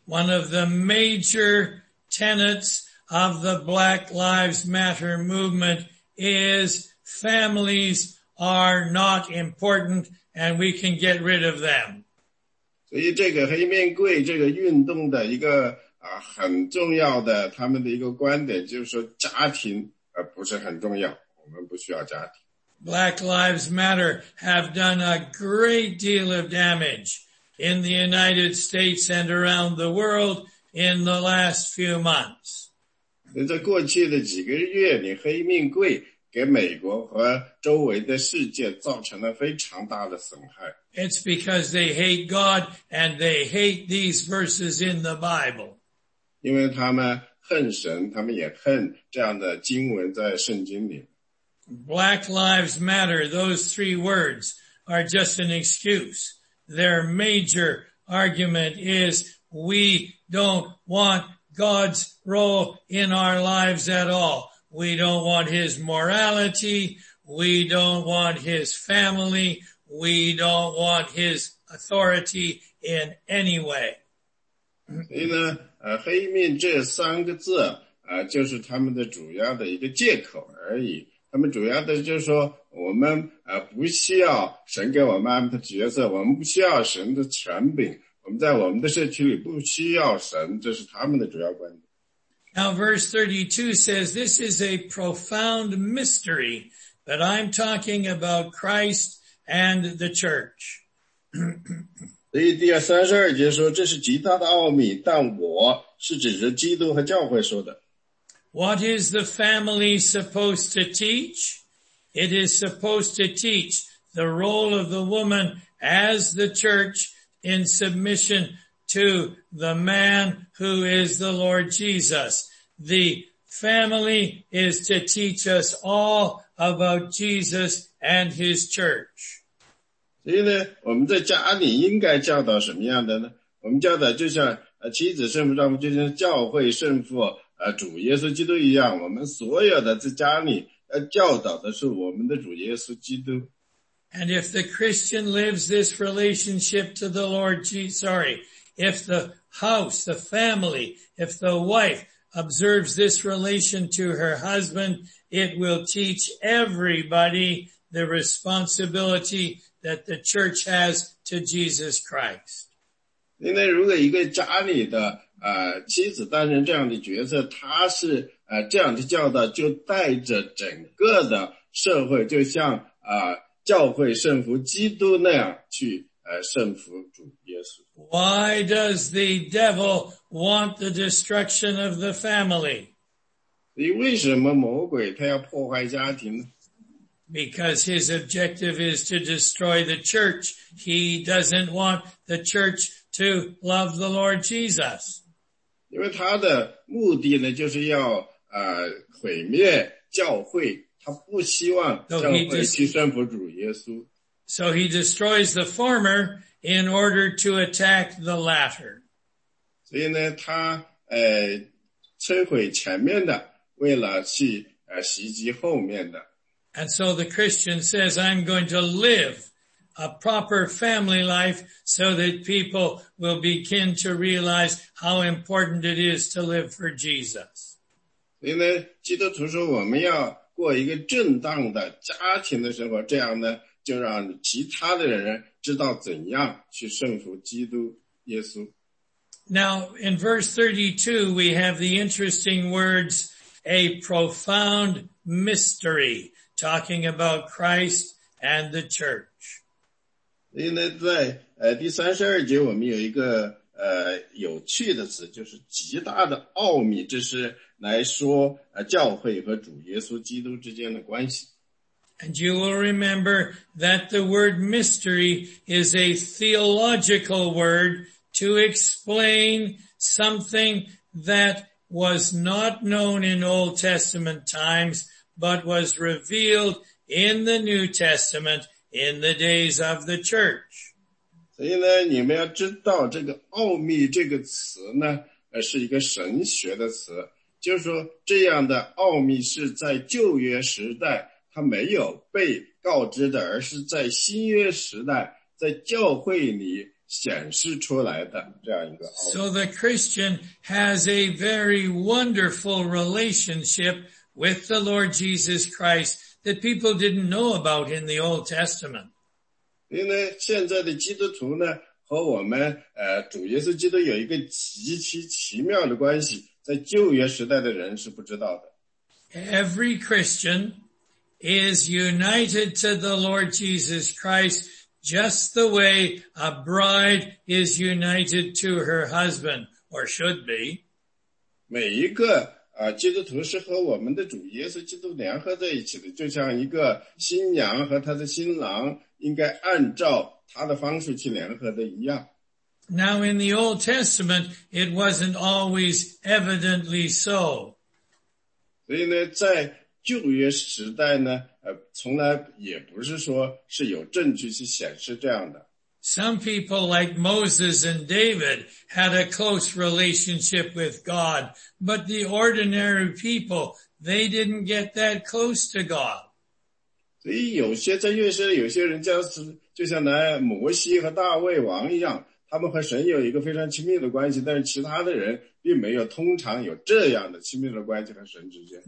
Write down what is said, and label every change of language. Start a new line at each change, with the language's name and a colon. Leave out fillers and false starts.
English: of the major tenets of the Black Lives Matter movement is families are not important and we can get rid of them.
Chinese: 所以这个黑面贵这个运动的一个很重要的他们的一个观点就是说家庭不是很重要，我们不需要家庭。Black
English: Lives Matter have done a great deal of damage in the United States and around the world in the last few months.
Chinese: 在过去的几个月里，黑命贵给美国和周围的世界造成了非常大的损害。
English: It's because they hate God and they hate these verses in the Bible.
Chinese: 因为他们恨神，他们也恨这样的经文在圣经里。
English: Black Lives Matter, those three words are just an excuse. Their major argument is we don't want God's role in our lives at all. We don't want his morality. We don't want his family. We don't want his authority in any way.
Chinese: 所以呢，黑命这三个字，就是他们的主要的一个借口而已。他们主要的就是说，我们不需要神给我们安排的角色，我们不需要神的权柄，我们在我们的社区里不需要神，这是他们的主要观点。
English: Now verse 32 says, this is a profound mystery, but I'm talking about Christ and the church.
Chinese: 所以第32节说，这是极大的奥秘，但我是指着基督和教会说的。
English: What is the family supposed to teach? It is supposed to teach the role of the woman as the church in submission to the man who is the Lord Jesus. The family is to teach us all about Jesus and his church.
Chinese: 所以呢，我们在家里应该教导什么样的呢？我们教导就像妻子圣父，丈夫就像教会圣父主耶稣基督一样，我们所有的在家里教导的是我们的主耶稣基督。
English: And if the Christian lives this relationship to the Lord Jesus, sorry, if the house, the family, if the wife observes this relation to her husband, it will teach everybody the responsibility that the church has to Jesus Christ.
Chinese: 因为如果一个家里的妻子担任这样的角色，她是这样的教导，就带着整个的社会，就像教会圣服基督那样去圣服主耶稣。
English: Why does the devil want the destruction of the family?
Chinese: 你为什么魔鬼他要破坏家庭呢？
English: Because his objective is to destroy the church. He doesn't want the church to love the Lord Jesus.
Chinese: 因为他的目的呢，就是要毁灭教会。他不希望教会去顺服主耶稣。
English: So he destroys the former in order to attack the latter.
Chinese: 所以呢，他摧毁前面的，为了去袭击后面的。
English: And so the Christian says, I'm going to live a proper family life so that people will begin to realize how important it is to live for Jesus.
Chinese: 所以呢，基督徒说我们要过一个正当的家庭的生活，这样呢，就让其他的人知道怎样去顺服基督耶稣。
English: Now, in verse 32, we have the interesting words, a profound mystery, talking about Christ and the church.
Chinese: 因为在第32节我们有一个有趣的词，就是极大的奥秘，这是来说教会和主耶稣基督之间的关系。
English: And you will remember that the word mystery is a theological word to explain something that was not known in Old Testament times, but was revealed in the New Testament in the days of the church.
Chinese: 所以呢，你们要知道这个奥秘这个词呢，是一个神学的词。就是说这样的奥秘是在旧约时代它没有被告知的，而是在新约时代在教会里显示出来的这样一个奥秘。
English: So the Christian has a very wonderful relationship with the Lord Jesus Christ that people didn't know about in the Old Testament.
Chinese: 因为现在的基督徒呢，和我们主耶稣基督有一个极其奇妙的关系，在旧约时代的人是不知道的。
English: Every Christian is united to the Lord Jesus Christ just the way a bride is united to her husband, or should be.
Chinese: 每一个基督徒是和我们的主耶稣基督联合在一起的，就像一个新娘和她的新郎应该按照她的方式去联合的一样。
English: Now in the Old Testament, it wasn't always evidently so.
Chinese: 所以呢，在旧约时代呢，从来也不是说是有证据去显示这样的。
English: Some people like Moses and David had a close relationship with God, but the ordinary people, they didn't get that close to God.
Chinese: 所以有些在约瑟有些人就像来摩西和大卫王一样，他们和神有一个非常亲密的关系，但是其他的人并没有通常有这样的亲密的关系和神之间。